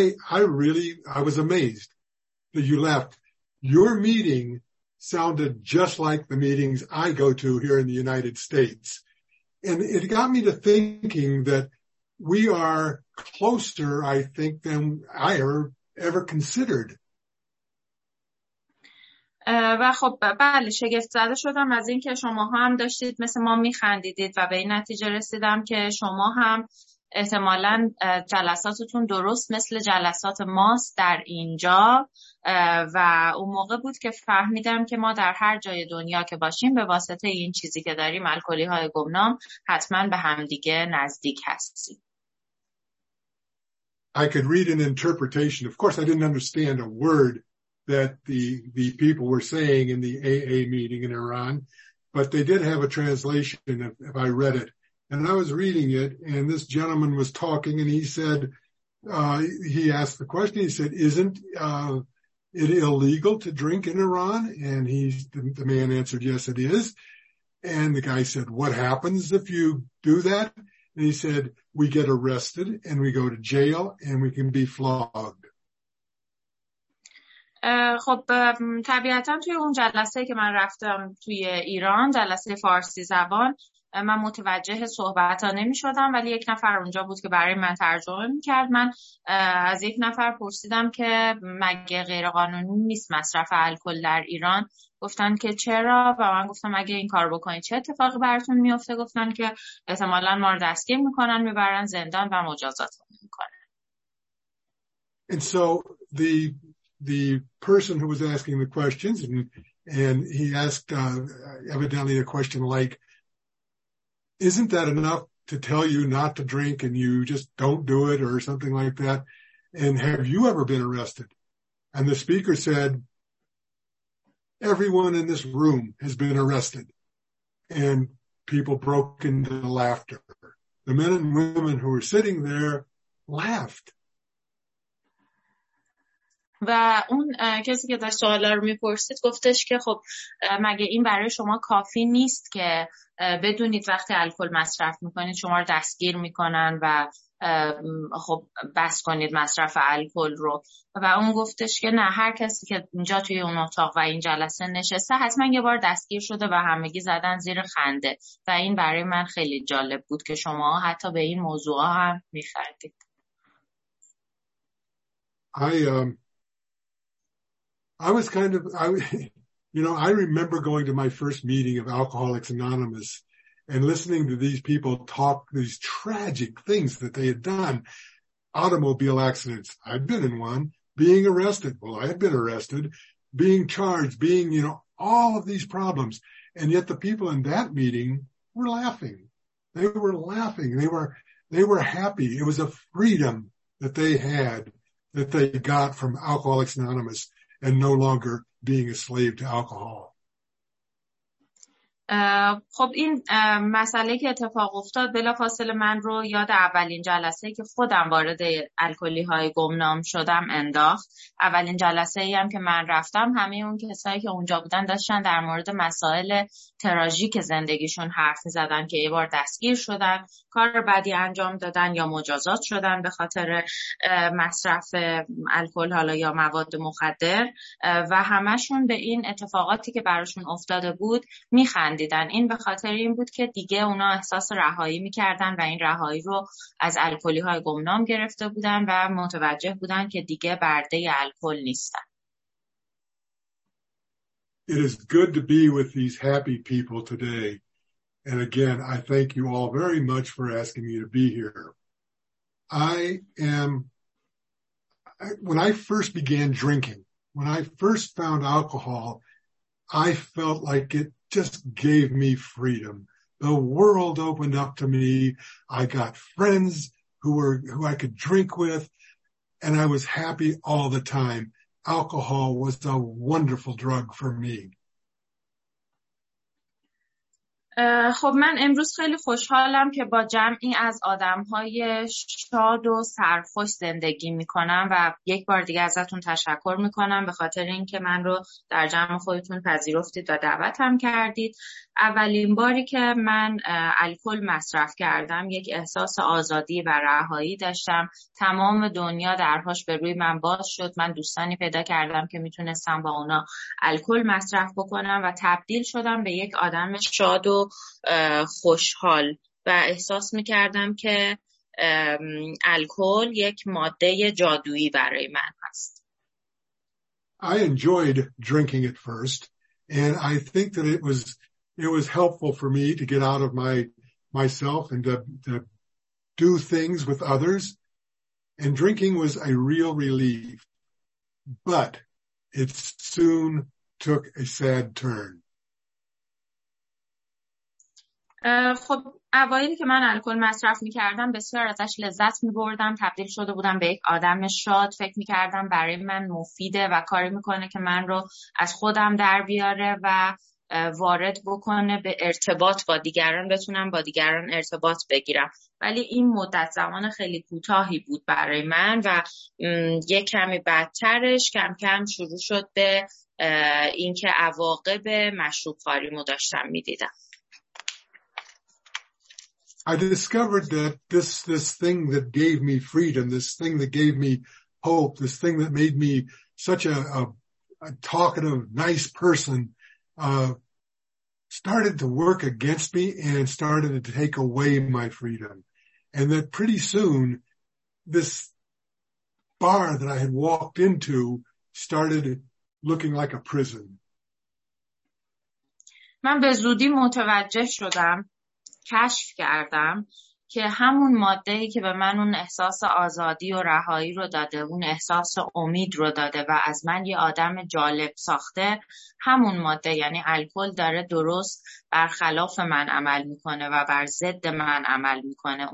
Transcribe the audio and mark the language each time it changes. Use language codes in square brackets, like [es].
[en] I was amazed that you left. Your meeting sounded just like the meetings I go to here in the United States. And it got me to thinking that we are closer, I think, than I ever considered. [fa] و خب بله، شگفت زده شدم از اینکه شما هم داشتید مثل ما میخندیدید و به این نتیجه رسیدم که شما هم احتمالاً جلساتتون درست مثل جلسات ماست در اینجا. و اون موقع بود که فهمیدم که ما در هر جای دنیا که باشیم به واسطه این چیزی که داریم، الکلی‌های گمنام، حتماً به همدیگه نزدیک هستیم. [en] I could read an interpretation. Of course, I didn't understand a word that the people were saying in the AA meeting in Iran, but they did have a translation if I read it. And I was reading it, and this gentleman was talking, and he said, he asked the question, he said, isn't it illegal to drink in Iran? And the man answered, yes, it is. And the guy said, what happens if you do that? And he said, we get arrested and we go to jail and we can be flogged. [fa] خب طبیعتا توی اون جلسه که من رفتم توی ایران، جلسه فارسی زبان، من متوجه صحبت ها نمی شدم، ولی یک نفر اونجا بود که برای من ترجمه می کرد. من از یک نفر پرسیدم که مگه غیرقانونی نیست مصرف الکل در ایران؟ گفتن که چرا، و من گفتم اگه این کار بکنید چه اتفاقی براتون می افته؟ گفتن که احتمالا ما رو دستگیر می کنن، می برن زندان و مجازات می کنن. [en] And so the person who was asking the questions, and he asked evidently a question like, isn't that enough to tell you not to drink and you just don't do it or something like that? And have you ever been arrested? And the speaker said, everyone in this room has been arrested. And people broke into laughter. The men and women who were sitting there laughed. [fa] و اون کسی که داشت سوالا رو میپرسید گفتش که خب مگه این برای شما کافی نیست که بدونید وقتی الکل مصرف میکنید شما رو دستگیر میکنن و خب بس کنید مصرف الکل رو؟ و اون گفتش که نه، هر کسی که اینجا توی اون اتاق و این جلسه نشسته حتما یه بار دستگیر شده و همگی زدن زیر خنده. و این برای من خیلی جالب بود که شما حتی به این موضوع هم میخندید. [en] I was kind of, I remember going to my first meeting of Alcoholics Anonymous and listening to these people talk these tragic things that they had done. Automobile accidents, I've been in one. Being arrested, well, I've been arrested. Being charged, being, you know, all of these problems. And yet the people in that meeting were laughing. They were laughing. They were happy. It was a freedom that they had, that they got from Alcoholics Anonymous. And no longer being a slave to alcohol. [fa] خب این مسئله که اتفاق افتاد بلافاصله من رو یاد اولین جلسه که خودم وارد الکلی های گمنام شدم انداخت. اولین جلسه ای هم که من رفتم همه اون کسایی که اونجا بودن داشتن در مورد مسائل تراژیک زندگیشون حرف زدن که یه بار دستگیر شدن، کار بدی انجام دادن یا مجازات شدن به خاطر مصرف الکل حالا یا مواد مخدر، و همشون به این اتفاقاتی که براشون افتاده بود میخند. دیدن. این به خاطر این بود که دیگه اونا احساس رهایی میکردن و این رهایی رو از الکلی های گمنام گرفته بودن و متوجه بودن که دیگه برده الکل نیستن. [en] It is good to be with these happy people today. And again, I thank you all very much for asking me to be here. When I first began drinking, when I first found alcohol, I felt like it just gave me freedom. The world opened up to me. I got friends who I could drink with, and I was happy all the time. Alcohol was a wonderful drug for me. [fa] خب من امروز خیلی خوشحالم که با جمعی از آدم‌های شاد و سرخوش زندگی می‌کنم و یک بار دیگه ازتون تشکر می‌کنم به خاطر اینکه من رو در جمع خودتون پذیرفتید و دعوتم کردید. اولین باری که من الکل مصرف کردم یک احساس آزادی و رهایی داشتم. تمام دنیا درهاش به روی من باز شد. من دوستانی پیدا کردم که میتونستم با اونا الکل مصرف بکنم و تبدیل شدم به یک آدم شاد و خوشحال و احساس میکردم که الکل یک ماده جادویی برای من هست. [en] I enjoyed drinking at first and I think that it was helpful for me to get out of myself and to do things with others. And drinking was a real relief. But it soon took a sad turn. [fa] خب اوایلی که من الکل مصرف می‌کردم بسیار ازش لذت می‌بردم، تبدیل شده بودم به یک آدم شاد، فکر می‌کردم برای من مفیده و کاری می‌کنه که من رو از خودم در بیاره و وارد بکنه به ارتباط با دیگران، بتونم با دیگران ارتباط بگیرم. ولی این مدت زمان خیلی کوتاهی بود برای من و یک کمی بدترش کم کم شروع شد به اینکه عواقب مشروب خواریمو داشتم می‌دیدم. [en] I discovered that this thing that gave me freedom, this thing that gave me hope, this thing that made me such a talkative, nice person, started to work against me and started to take away my freedom. And that pretty soon this bar that I had walked into started looking like a prison. [fa] من به زودی متوجه شدم، کشف کردم که همون ماده‌ای که به من اون احساس آزادی و رهایی رو داده، اون احساس امید رو داده و از من یه آدم جالب ساخته، همون ماده یعنی الکل داره درست برخلاف من عمل میکنه و بر ضد من عمل میکنه.